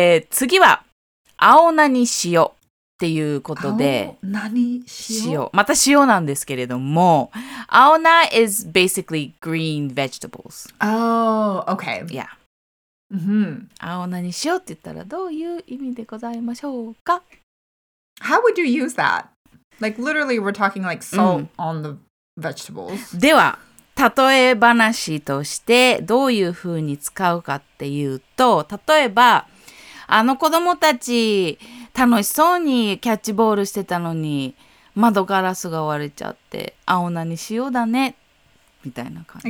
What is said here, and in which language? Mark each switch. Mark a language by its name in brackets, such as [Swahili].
[Japanese] 次は、青なに塩っていうことで、青なに塩。また塩なんですけれども、青な [English] is basically green vegetables. Oh, OK. Yeah. Mm-hmm. [Japanese] 青なに塩って言ったらどういう意味でございましょうか。 [English] How would you use that? Like, literally, we're talking like salt on the vegetables. [Japanese] では、例え話としてどういうふうに使うかっていうと、例えば、あの子供たち楽しそうにキャッチボールしてたのに窓ガラスが割れちゃって青なにしようだねみたいな感じ。